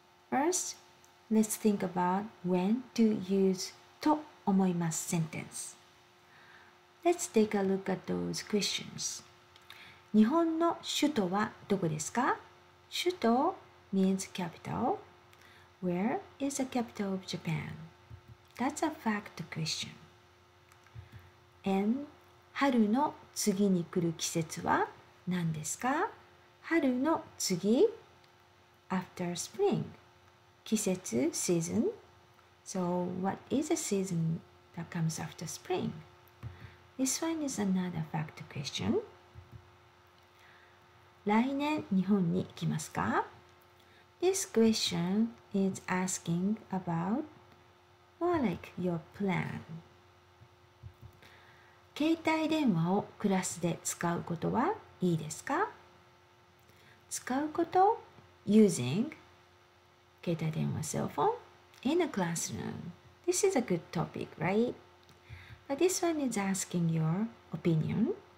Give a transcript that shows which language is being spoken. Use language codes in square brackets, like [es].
[en] First, let's think about when to use と思います sentence. Let's take a look at those questions. [ja] 日本の首都はどこですか? [en] 首都 means capital. Where is the capital of Japan? That's a fact question. [ja] And 春の次に来る季節は何ですか? [en] 春の次 after spring. 季節 season. So what is the season that comes after spring? This one is another fact question. [ja] 来年日本に行きますか? [en] This question is asking about more like your plan. [ja] 携帯電話をクラスで使うことはいいですか? [en] 使うこと using 携帯電話 cell phone in a classroom. This is a good topic, right? But this one is asking your opinion.